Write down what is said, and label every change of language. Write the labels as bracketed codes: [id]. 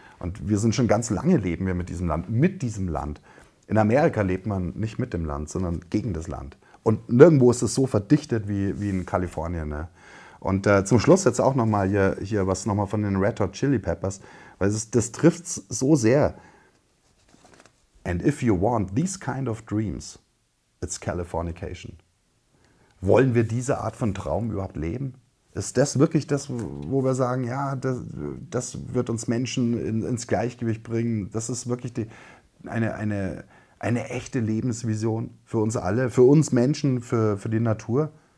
[de] Und wir sind schon ganz lange leben wir mit diesem Land. In Amerika lebt man nicht mit dem Land, sondern gegen das Land. Und nirgendwo ist es so verdichtet wie in Kalifornien. Ne? Und zum Schluss jetzt auch nochmal hier was nochmal von den Red Hot Chili Peppers. Weil das trifft es so sehr. [en] And if you want these kind of dreams, it's Californication. [de] Wollen wir diese Art von Traum überhaupt leben? Ist das wirklich das, wo wir sagen, ja, das wird uns Menschen ins Gleichgewicht bringen? Das ist wirklich eine echte Lebensvision für uns alle, für uns Menschen, für die Natur?